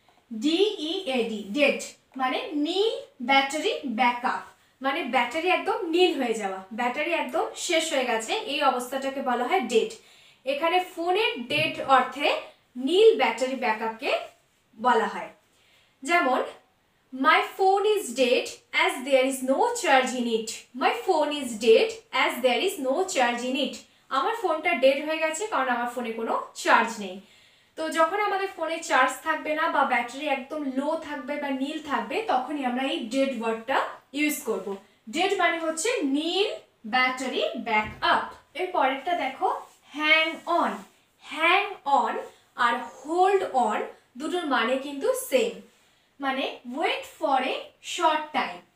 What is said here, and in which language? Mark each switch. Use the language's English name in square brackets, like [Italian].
[Bangla] DEAD dead মানে নীল battery backup মানে battery একদম নীল হয়ে যাওয়া ব্যাটারি একদম শেষ হয়ে গেছে এই অবস্থাটাকে বলা হয় ডেড এখানে ফোনের ডেড অর্থে নীল ব্যাটারি ব্যাকআপকে বলা হয় যেমন [English] My phone is dead as there is no charge in it. My phone is dead as there is no charge in it. [Bangla] আমার ফোনটা ডেড হয়ে গেছে কারণ আমার ফোনে কোনো চার্জ নেই। তো যখন আমাদের ফোনে চার্জ থাকবে না বা ব্যাটারি একদম লো থাকবে বা নীল থাকবে তখনই আমরা এই ডেড ওয়ার্ডটা ইউজ করব। ডেড মানে হচ্ছে নীল, ব্যাটারি, ব্যাকআপ। এর পরেরটা দেখো, hang on. Hang on আর hold on দুটোর মানে কিন্তু সেম, মানে [English] Wait for a short time.